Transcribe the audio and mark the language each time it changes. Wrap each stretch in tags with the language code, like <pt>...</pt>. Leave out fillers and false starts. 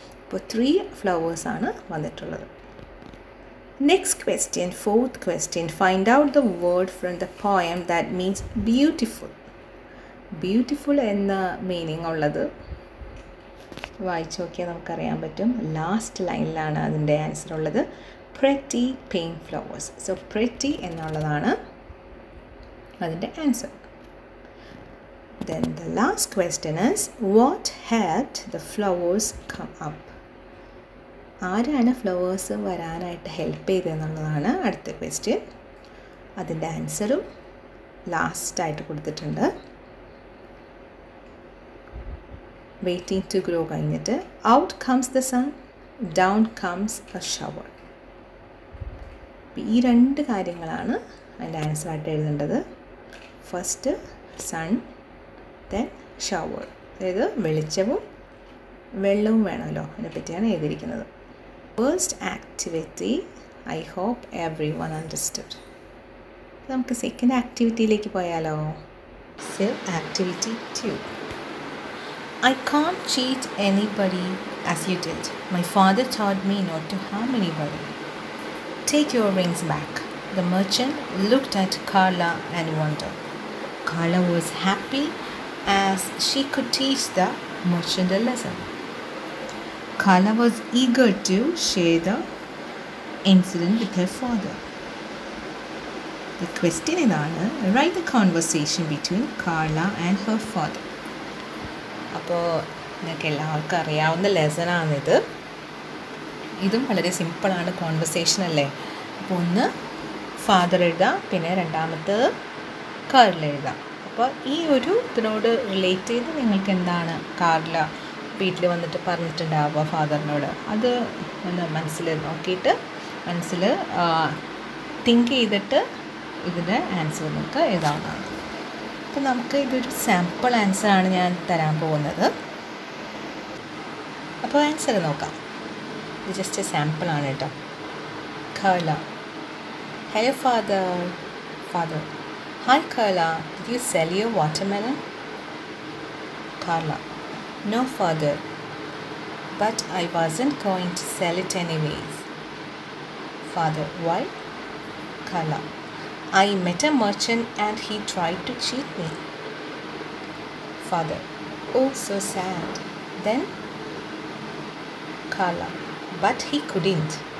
<ml>ഇപ്പോൾ 3 ഫ്ലവേഴ്സാണ് വന്നിട്ടുള്ളത്.</ml> <en>Next question, fourth question, find out the word from the poem that means beautiful.</en> <ml>Beautiful എന്ന meaning ഉള്ളത് വായിച്ചു നോക്കിയാൽ നമുക്കറിയാൻ പറ്റും. ലാസ്റ്റ് ലൈനിലാണ് അതിൻ്റെ ആൻസർ ഉള്ളത്.</ml> <en>Pretty pink flowers. So pretty</en> <ml>എന്നുള്ളതാണ് അതിൻ്റെ answer.</ml> <en>Then the last question is, what helped the flowers come up?</en> <ml>ആരാണ് ഫ്ലവേഴ്സ് വരാനായിട്ട് ഹെൽപ്പ് ചെയ്തതെന്നുള്ളതാണ് അടുത്ത ക്വസ്റ്റ്യൻ. അതിൻ്റെ ആൻസറും ലാസ്റ്റായിട്ട് കൊടുത്തിട്ടുണ്ട്. വെയ്റ്റിംഗ് ടു ഗ്രോ കഴിഞ്ഞിട്ട് out comes the sun, down comes A shower. ഈ രണ്ട് കാര്യങ്ങളാണ് അതിൻ്റെ ആൻസറായിട്ട് എഴുതേണ്ടത്.</ml> <en>first sun, then shower,</en> <ml>അതായത് വെളിച്ചവും വെള്ളവും വേണമല്ലോ, അതിനെപ്പറ്റിയാണ് എഴുതിയിരിക്കുന്നത്.</ml> <en>First activity, I hope everyone understood.</en> <ml>നമുക്ക് സെക്കൻഡ് ആക്ടിവിറ്റിയിലേക്ക് പോയാലോ.</ml> <en>Activity 2. I can't cheat anybody as you did. My father taught me not to harm anybody. Take your rings back. The merchant looked at Carla and wondered. Carla was happy as she could teach the merchant a lesson. Carla was eager to share the incident with her father. The question is, write the conversation between Carla and her father.</en> <ml>അപ്പോൾ നിങ്ങൾക്ക് എല്ലാവർക്കും അറിയാവുന്ന ലെസണാണിത്. ഇതും വളരെ സിമ്പിളാണ്, conversation അല്ലേ. അപ്പോൾ ഒന്ന് ഫാദർ എഴുതാം, പിന്നെ രണ്ടാമത്തേത് കാർല എഴുതാം. അപ്പോൾ ഈ ഒരു ഇതിനോട് റിലേറ്റ് ചെയ്ത് നിങ്ങൾക്ക് എന്താണ് കാർല വീട്ടിൽ വന്നിട്ട് പറഞ്ഞിട്ടുണ്ടാവുക ഫാദറിനോട്, അത് ഒന്ന് മനസ്സിൽ നോക്കിയിട്ട് മനസ്സിൽ തിങ്ക് ചെയ്തിട്ട് ഇതിൻ്റെ ആൻസർ നിങ്ങൾക്ക് എഴുതാവുന്നതാണ്. അപ്പോൾ നമുക്ക് ഇതൊരു സാമ്പിൾ ആൻസർ ആണ് ഞാൻ തരാൻ പോകുന്നത്. അപ്പോൾ ആൻസർ നോക്കാം. ഇത് ജസ്റ്റ് സാമ്പിൾ ആണ് കേട്ടോ.</ml> <en>Carla, hello father. Father, hi Carla, did you sell your watermelon? Carla, no father, but I wasn't going to sell it anyways. Father, why? Carla, I met a merchant and he tried to cheat me. Father, oh so sad. Then, Carla, but he couldn't.</en>